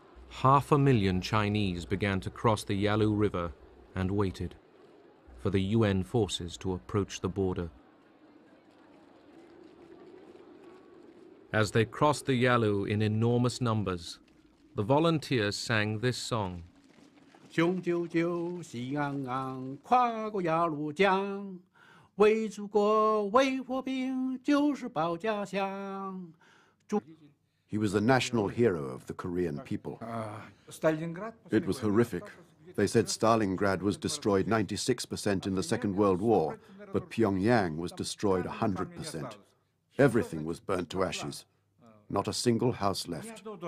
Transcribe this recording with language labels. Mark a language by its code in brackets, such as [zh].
[en] 500,000 Chinese began to cross the Yalu River and waited for the UN forces to approach the border. As they crossed the Yalu in enormous numbers, the volunteers sang this song. [zh] 雄赳赳，喜昂昂，跨过鸭绿江，为祖国，为和平，就是保家乡。 [en] He was the national hero of the Korean people. It was horrific. They said Stalingrad was destroyed 96% in the Second World War, but Pyongyang was destroyed 100%. Everything was burnt to ashes. Not a single house left.